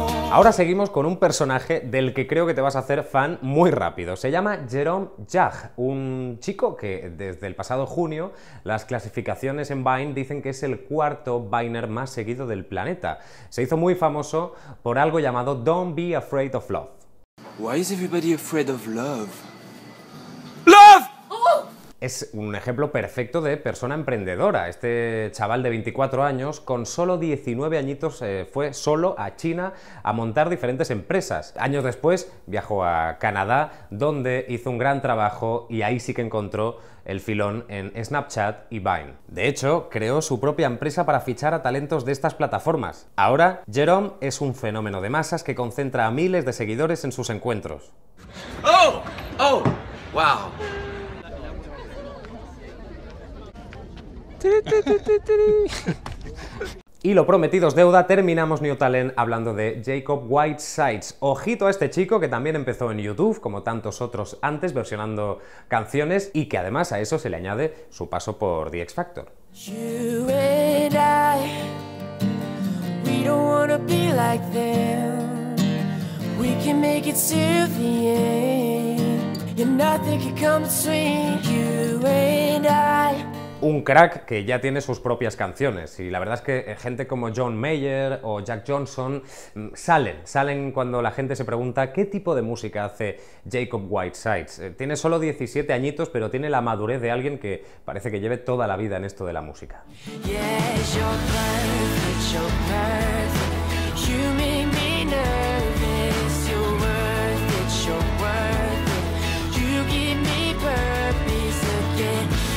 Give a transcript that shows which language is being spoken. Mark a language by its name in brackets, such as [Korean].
[Spanish] Ahora seguimos con un personaje del que creo que te vas a hacer fan muy rápido. Se llama Jerome Jarre, un chico que desde el pasado junio las clasificaciones en Vine dicen que es el cuarto Viner más seguido del planeta. Se hizo muy famoso por algo llamado Don't Be Afraid of Love. [English] Why is everybody afraid of love? ¡Love! [Spanish] Es un ejemplo perfecto de persona emprendedora. Este chaval de 24 años, con solo 19 añitos, fue solo a China a montar diferentes empresas. Años después viajó a Canadá, donde hizo un gran trabajo y ahí sí que encontró el filón en Snapchat y Vine. De hecho, creó su propia empresa para fichar a talentos de estas plataformas. Ahora, Jerome es un fenómeno de masas que concentra a miles de seguidores en sus encuentros. ¡Oh! ¡Oh! ¡Wow! Y lo prometido es deuda, terminamos New Talent hablando de Jacob Whitesides. Ojito a este chico que también empezó en YouTube, como tantos otros antes, versionando canciones, y que además a eso se le añade su paso por The X Factor. [English] You and I, we don't wanna be like them. We can make it to the end. And nothing can come between you and I. [Spanish] Un crack que ya tiene sus propias canciones, y la verdad es que gente como John Mayer o Jack Johnson salen cuando la gente se pregunta qué tipo de música hace Jacob Whitesides. Tiene solo 17 añitos, pero tiene la madurez de alguien que parece que lleve toda la vida en esto de la música. [English] Yeah, you're perfect, you're perfect. You make me nervous. You're worth it, you're worth it. You give me purpose again.